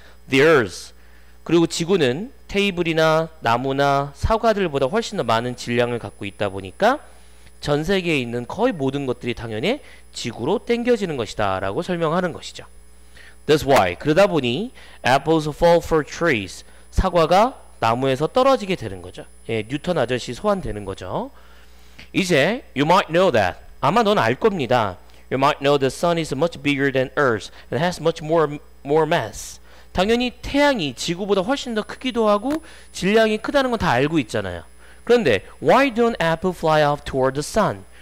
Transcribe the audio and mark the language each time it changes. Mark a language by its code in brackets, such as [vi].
[en] The Earth, [ko] 그리고 지구는 테이블이나 나무나 사과들보다 훨씬 더 많은 질량을 갖고 있다 보니까 전 세계에 있는 거의 모든 것들이 당연히 지구로 땡겨지는 것이다 라고 설명하는 것이죠. [en] That's why, [ko] 그러다 보니 [en] apples fall for trees, [ko] 사과가 나무에서 떨어지게 되는 거죠. 예, 뉴턴 아저씨 소환되는 거죠. 이제 [en] you might know that, [ko] 아마 넌 알 겁니다. [en] You might know the sun is much bigger than earth and has much more mass. [ko] 당연히 태양이 지구보다 훨씬 더 크기도 하고 질량이 크다는 건 다 알고 있잖아요. 그런데 [en] why don't apple fly off toward the sun?